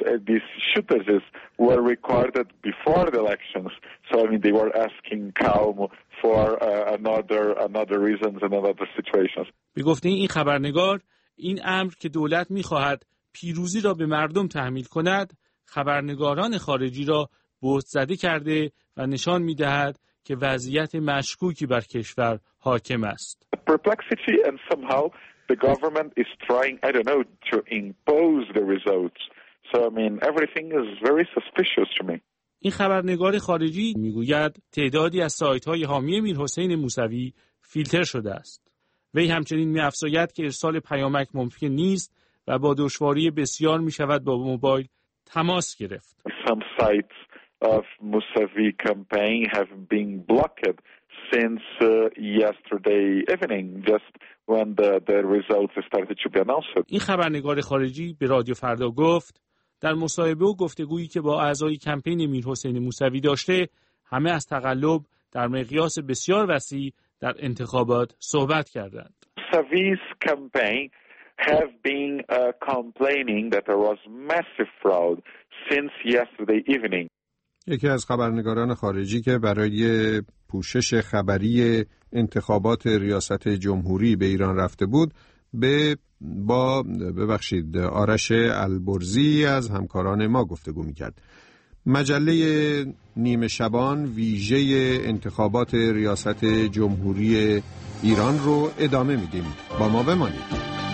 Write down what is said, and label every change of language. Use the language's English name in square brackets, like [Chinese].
[English] These shootages were recorded before the elections, so I mean they were asking calm for another reasons and another situations. [Persian] به گفته این خبرنگار، این امر که دولت می‌خواهد پیروزی را به مردم تحمیل کند، خبرنگاران خارجی را بهت زده کرده و نشان می‌دهد که وضعیت مشکوکی بر کشور حاکم است. [English] Perplexity and somehow the government is trying, I don't know, to impose the results. So I mean everything is very suspicious to me. [Persian] این خبرنگار خارجی میگوید تعدادی از سایت‌های حامی میرحسین موسوی فیلتر شده است. وی همچنین می‌افزاید که ارسال پیامک ممکن نیست و با دشواری بسیار می‌شود با موبایل تماس گرفت. [English] Some sites of Mousavi campaign have been blocked since yesterday evening just when the results started to be announced. [Persian] این خبرنگار خارجی به رادیو فردا گفت در مصاحبه و گفتگویی که با اعضای کمپین میرحسین موسوی داشته، همه از تقلب در مقیاس بسیار وسیع در انتخابات صحبت کردند. [English] Savi's campaign have been complaining that there was massive fraud since yesterday evening. [Persian] یکی از خبرنگاران خارجی که برای پوشش خبری انتخابات ریاست جمهوری به ایران رفته بود ببخشید آرش البرزی از همکاران ما گفتگو میکرد. مجله نیمه شبان ویژه انتخابات ریاست جمهوری ایران رو ادامه میدیم، با ما بمانید.